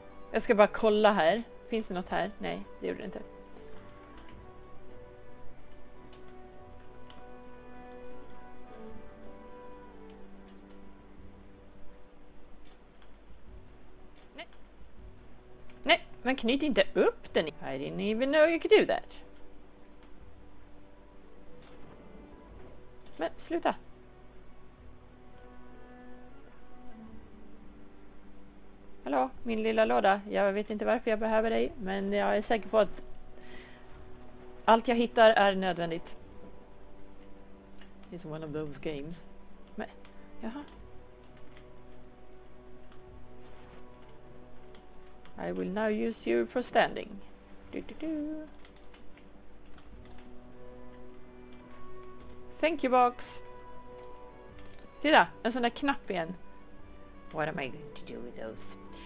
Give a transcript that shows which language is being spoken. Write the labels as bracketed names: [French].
[Swedish] Jag ska bara kolla här. Finns det något här? Nej, det gjorde det inte. Nej. Nej, men knyt inte upp den. [English] I didn't even know you could do that. [Swedish] Men sluta. Hallå, min lilla låda. Jag vet inte varför jag behöver dig, men jag är säker på att allt jag hittar är nödvändigt. [English] It's one of those games. [Swedish] Men, jaha. [English] I will now use you for standing. Du-du-du. Thank you, box. [Swedish] Titta, en sån där knapp igen. [English] What am I going to do with those?